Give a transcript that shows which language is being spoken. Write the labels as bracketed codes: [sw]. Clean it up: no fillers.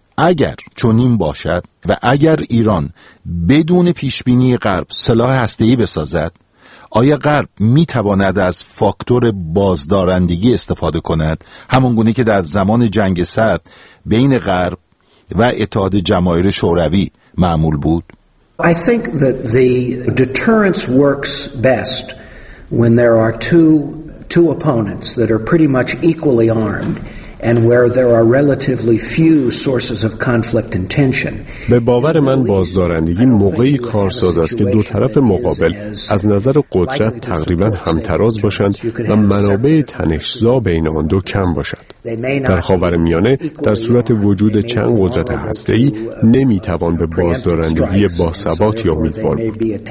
[fa] اگر چنین باشد و اگر ایران بدون پیشبینی غرب سلاح هسته‌ای بسازد، آیا غرب میتواند از فاکتور بازدارندگی استفاده کند، همون گونه که در زمان جنگ سرد بین غرب و اتحاد جماهیر شوروی معمول بود؟ [en] I think that the deterrence works best when there are two opponents that are pretty much equally armed and where there are relatively few sources of conflict and tension. [fa] به باور من بازدارندگی موقعی کارساز است که دو طرف مقابل از نظر قدرت تقریبا همتراز باشند و منابع تنش‌زا بین آن دو کم باشد. در خاورمیانه در صورت وجود چند قدرت هسته‌ای نمی‌توان به بازدارندگی باثبات امیدوار بود.